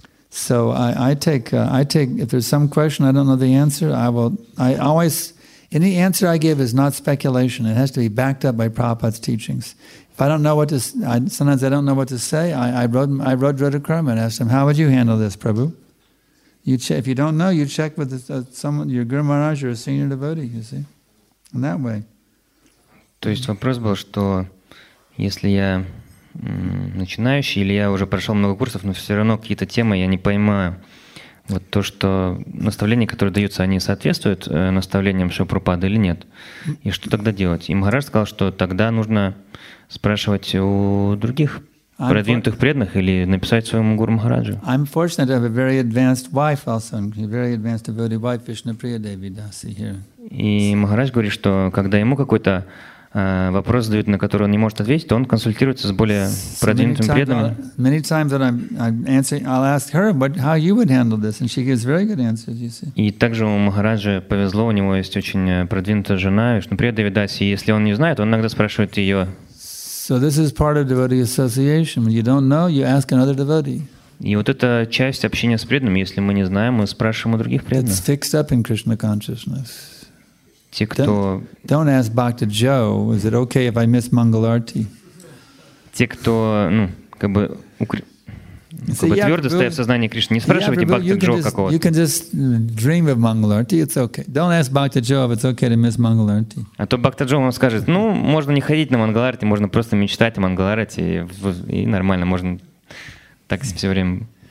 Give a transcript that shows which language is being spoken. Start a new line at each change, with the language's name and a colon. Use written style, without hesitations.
English: So I take if there's some question I don't know the answer, I always any answer I give is not speculation. It has to be backed up by Prabhupada's teachings. If I don't know what to say, sometimes I don't know what to say. I wrote Dhruta Karma and asked him, how would you handle this, Prabhu? You check, if you don't know, you check with someone, your Guru Maharaj or a senior devotee, you see, in that way.
Russian: То есть вопрос был, что если я начинающий или я уже прошел много курсов, но все равно какие-то темы я не понимаю. Вот то, что наставления, которые даются, они соответствуют наставлениям Шри Прабхупады или нет? И что тогда делать? И Махарадж сказал, что тогда нужно спрашивать у других продвинутых преданных или написать своему Гуру Махараджу.
English: I'm fortunate to have a very advanced wife also, a very advanced devotee wife, Vishnupriya Devi Dasi here.
Russian: И Махарадж говорит, что когда ему какой-то вопрос задают, на который он не может ответить, то он консультируется с более продвинутыми преданными.
English: Many times that I'm answering, I'll ask her, but how you would handle this, and she gives very good answers, you see.
Russian: И также у Махараджи повезло, у него есть очень продвинутая жена, Вишнуприя Деви Даси, и если он не знает, он иногда спрашивает ее.
English: So this is part of devotee association. When you don't know, you ask another devotee.
Russian: И вот это часть общения с преданными. Если мы не знаем, мы спрашиваем у других преданных.
English: It's fixed up in Krishna consciousness.
Russian: Те, кто...
English: don't ask Bhakti Joe, is it okay if I miss Mangal Arti?
Russian: Те, кто, ну, как бы, твердо стоят в сознании Кришны, не спрашивайте Бхакти Джо какого-то.
English: You can just dream of Mangal Arti, it's okay. Don't ask Bhakti Joe if it's okay to miss Mangal Arti.
Russian: А то Бхакти Джо вам скажет, ну, можно не ходить на Мангал Арти, можно просто мечтать о Мангал Арти, и нормально, можно так все время...